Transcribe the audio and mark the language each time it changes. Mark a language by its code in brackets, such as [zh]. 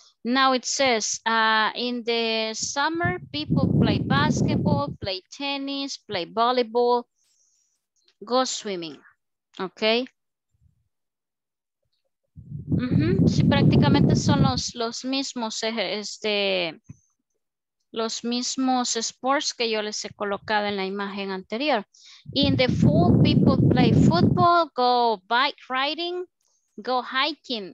[en] Now it says, in the summer, people play basketball, play tennis, play volleyball, go swimming. Ok. Uh-huh. [es] Sí, prácticamente son los mismos sports que yo les he colocado en la imagen anterior. [en] In the fall, people play football, go bike riding, go hiking.